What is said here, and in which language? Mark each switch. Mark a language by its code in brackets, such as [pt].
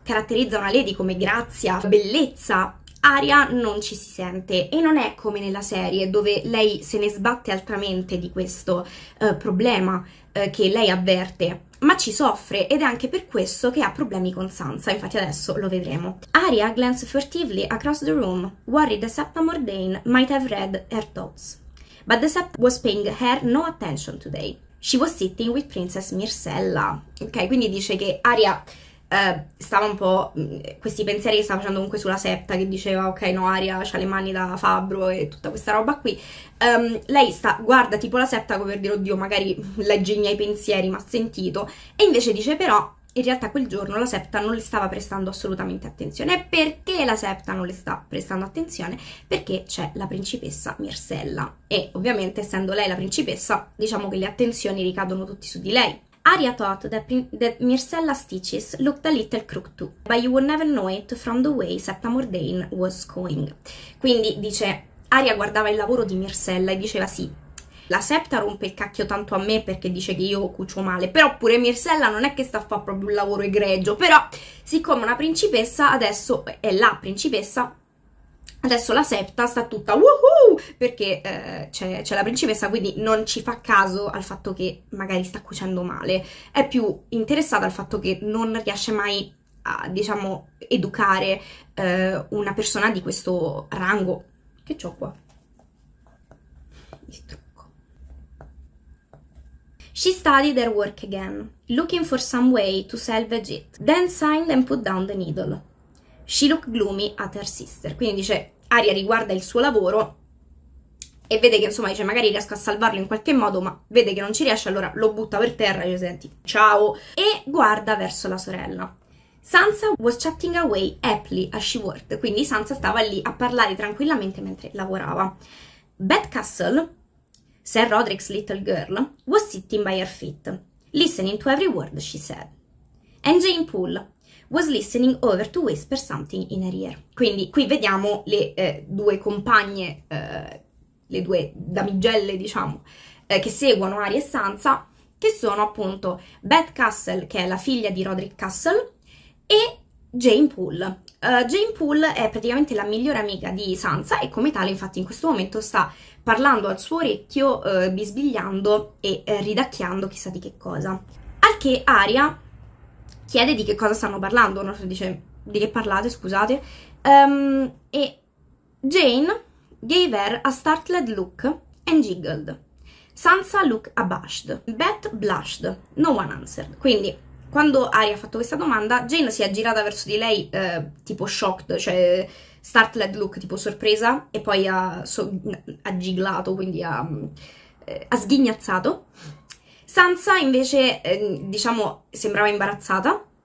[it] caratterizza una lady come grazia, bellezza, Aria non ci si sente e non è come nella serie dove lei se ne sbatte altamente di questo problema che lei avverte, ma ci soffre ed è anche per questo che ha problemi con Sansa. Infatti adesso lo vedremo. [en] Arya glanced furtively across the room, worried that Septa Mordain might have read her thoughts. But the Sept was paying her no attention today. She was sitting with Princess Myrcella. [it] Ok, quindi dice che Arya stava un po' questi pensieri che stava facendo comunque sulla Septa, che diceva: ok, no, Arya c'ha le mani da fabbro e tutta questa roba qui. Lei sta, guarda tipo la Septa come per dire: oddio, magari legge i miei pensieri, mi ha sentito. E invece dice: però, in realtà quel giorno la Septa non le stava prestando assolutamente attenzione. Perché la Septa non le sta prestando attenzione? Perché c'è la principessa Myrcella. E ovviamente, essendo lei la principessa, diciamo che le attenzioni ricadono tutti su di lei. [en] Arya thought that Myrcella Stitches looked a little crooked too, but you would never know it from the way Septa Mordain was cooing. [it] Quindi dice, Arya guardava il lavoro di Myrcella e diceva sì, la Septa rompe il cacchio tanto a me perché dice che io cucio male, però pure Myrcella non è che sta a fare proprio un lavoro egregio, però siccome una principessa adesso è la principessa, adesso la Septa sta tutta woohoo perché c'è la principessa, quindi non ci fa caso al fatto che magari sta cucendo male. È più interessata al fatto che non riesce mai a, diciamo, educare una persona di questo rango. Che c'ho qua? [en] She studied her work again, looking for some way to salvage it, then sighed and put down the needle. She looked gloomy at her sister. [it] Quindi dice, Aria riguarda il suo lavoro e vede che, insomma, dice, magari riesco a salvarlo in qualche modo, ma vede che non ci riesce, allora lo butta per terra e dice, senti, ciao! E guarda verso la sorella. [en] Sansa was chatting away happily as she worked. [it] Quindi Sansa stava lì a parlare tranquillamente mentre lavorava. [en] Bet Castle, Ser Roderick's little girl, was sitting by her feet, listening to every word she said. And Jane Poole was listening over to whisper something in her ear. [it] Quindi qui vediamo le due compagne, le due damigelle, diciamo, che seguono Arya e Sansa, che sono appunto Beth Castle, che è la figlia di Roderick Castle, e Jane Poole. Jane Poole è praticamente la migliore amica di Sansa e come tale infatti in questo momento sta parlando al suo orecchio, bisbigliando e ridacchiando chissà di che cosa. Al che Arya chiede di che cosa stanno parlando, no? Dice, di che parlate, scusate. [en] E Jane gave her a startled look and giggled. Sansa looked abashed. Beth blushed. No one answered. [it] Quindi, quando Arya ha fatto questa domanda, Jane si è girata verso di lei, tipo shocked, cioè startled look, tipo sorpresa, e poi ha giglato, quindi ha sghignazzato. Sansa invece, diciamo, sembrava imbarazzata.